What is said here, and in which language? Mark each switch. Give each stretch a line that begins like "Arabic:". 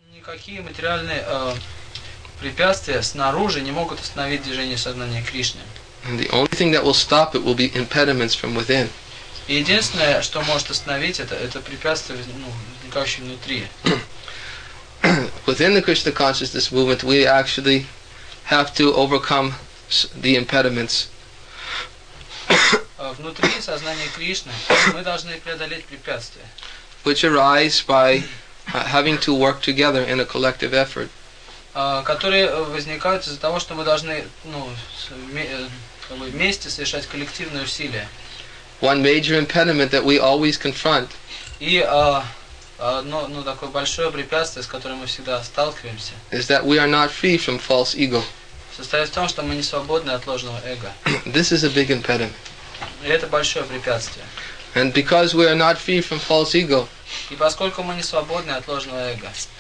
Russian: никакие материальные препятствия снаружи не могут остановить движение сознания Кришны.
English: And the only thing that will stop it will be impediments from within.
Russian: И единственное, что может остановить это препятствие, ну, возникающее внутри.
English: Within the Krishna consciousness movement, we actually have to overcome the impediments.
Russian: Внутри сознания Кришны мы должны преодолеть препятствия.
English: Which arise by having to work together in a collective effort.
Russian: Которые возникают из-за того, что мы должны, ну, вместе совершать коллективные усилия.
English: One major impediment that we always confront.
Russian: И одно, ну, такое большое препятствие, с которым мы всегда сталкиваемся.
English: Is that we are not free from false ego.
Russian: Состоит в том, что мы не свободны от ложного эго.
English: This is a big impediment.
Russian: И это большое препятствие.
English: And because we are not free from false ego.
Russian: И поскольку мы не свободны от ложного эго.